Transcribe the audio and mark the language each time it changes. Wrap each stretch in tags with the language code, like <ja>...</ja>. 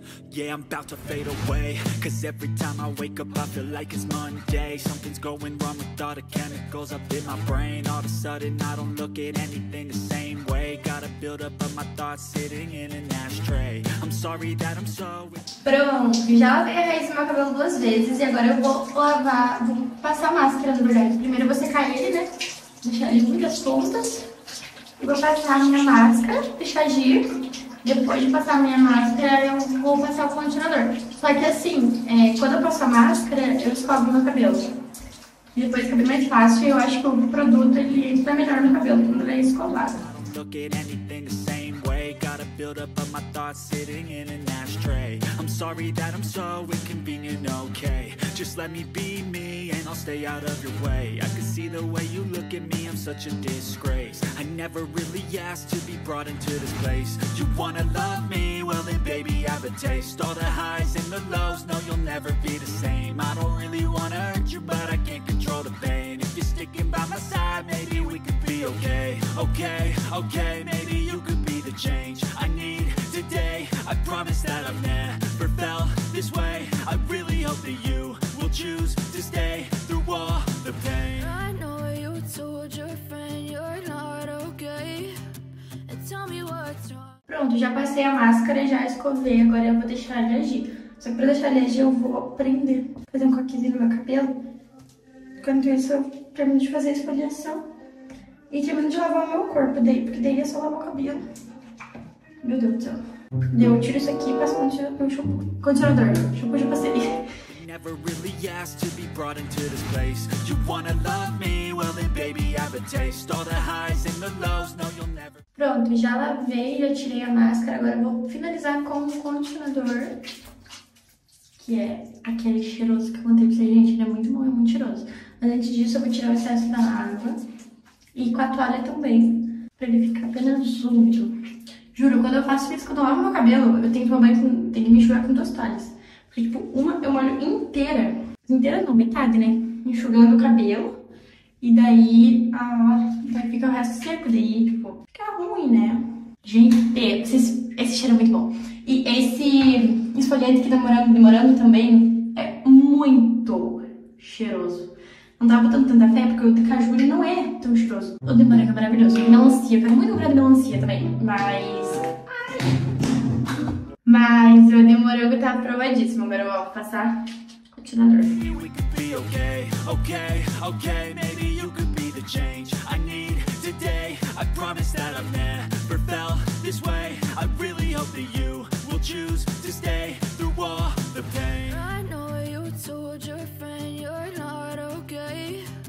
<en>Yeah, I'm about to fade away. Cause every time I wake up, I feel like it's Monday. Something's going wrong with all the chemicals up in my brain. All of a sudden, I don't look at anything the same way. Gotta build up of my thoughts sitting in an ashtray. I'm sorry that I'm so...</en> <pt>Pronto, já lavei a raiz do meu cabelo duas vezes. E agora eu vou lavar, vou passar a máscara, na verdade. Primeiro vou secar ele, né? Deixar ele muitas pontas. E vou passar a minha máscara, deixar agir. Depois de passar a minha máscara, eu vou passar o condicionador. Só que assim, quando eu passo a máscara, eu escovo meu cabelo. E depois fica bem mais fácil e eu acho que o produto ele entra melhor no cabelo quando ele é escovado.</pt> <en>Look at anything the same way. Gotta build up of my thoughts sitting in an ashtray. I'm sorry that I'm so inconvenient, okay. Just let me be me and I'll stay out of your way. I can see the way you look at me, I'm such a disgrace. I never really asked to be brought into this place. You wanna love me, well then baby have a taste. All the highs and the lows, no you'll never be the same. I don't really wanna hurt you, but I can't control the pain. If you're sticking by my side, maybe we could be okay. Okay, okay, maybe you could be the change I need today. I promise that I've never felt this way. I really hope that you will choose to stay through all the pain. I know you told your friend you're not okay. And tell me what's wrong.</en> <pt>Pronto, já passei a máscara e já escovei. Agora eu vou deixar ele agir. Só que pra deixar ele agir, eu vou prender, fazer um coquezinho no meu cabelo. Enquanto isso, eu termino de fazer a esfoliação e termino de lavar o meu corpo daí, porque daí é só lavar o cabelo. Meu Deus do céu. Eu tiro isso aqui e passo um condicionador. Shampoo de passeio.</pt> <en>Never really asked to be brought into this place. You wanna love me? Well then baby have a taste. All the highs and the lows, no you'll never.</en> <pt>Pronto, já lavei, já tirei a máscara. Agora vou finalizar com o condicionador, que é aquele cheiroso que eu contei pra vocês, gente. Ele é muito bom, é muito cheiroso. Mas antes disso eu vou tirar o excesso da água. E com a toalha também, pra ele ficar apenas úmido. Juro, quando eu faço isso, quando eu lavo meu cabelo, eu tenho que tomar banho, tenho que me enxugar com duas toalhas. Porque, tipo, uma eu molho inteira. Inteira não, metade, né? Enxugando o cabelo. E daí, daí fica o resto seco. Daí, tipo, fica ruim, né? Gente, esse cheiro é muito bom. E esse esfoliante que tá demorando também é muito cheiroso. Não tava botando tanta fé, porque o de caju ele não é tão cheiroso. O de morango é maravilhoso. Melancia, faz muito lugar de melancia também. Mas o demorango tá aprovadíssimo. Agora eu vou passar o condicionador.</pt> <en>We could be okay, okay, okay. Maybe you could be the change I need today. I promise that I've never felt this way. I really hope that you will choose to stay through all the pain. I know you told your friend you're not okay.</en>